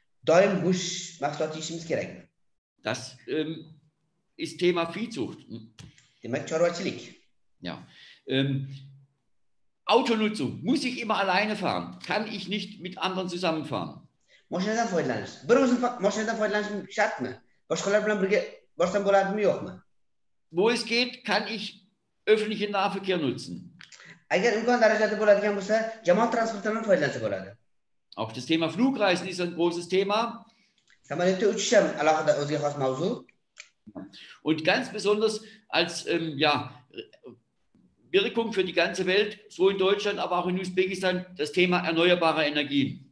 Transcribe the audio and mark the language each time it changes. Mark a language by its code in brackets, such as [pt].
[uz] Doim go'sht mahsulot yeyishimiz kerakmi? [de] Das ist Thema Viehzucht. [uz] Demak, chorvachilik. [de] Ja. Autonutzung, muss ich immer alleine fahren? Kann ich nicht mit anderen zusammenfahren? [uz] Maschinadan foydalanish. Bir o'zim mashinadan foydalanish shartmi? Boshqalar bilan birga borsam bo'ladimi, yo'qmi? [de] Wo es geht, kann ich öffentlichen Nahverkehr nutzen. [uz] Agar imkon darajasida bo'ladigan bo'lsa, jamoat transportidan foydalansa bo'ladi. [de] Auch das Thema Flugreisen ist ein großes Thema. [uz] Samolyotda uchish ham alohida o'ziga xos mavzu. [de] Und ganz besonders als Wirkung für die ganze Welt, so in Deutschland, aber auch in Usbekistan, das Thema erneuerbare Energien.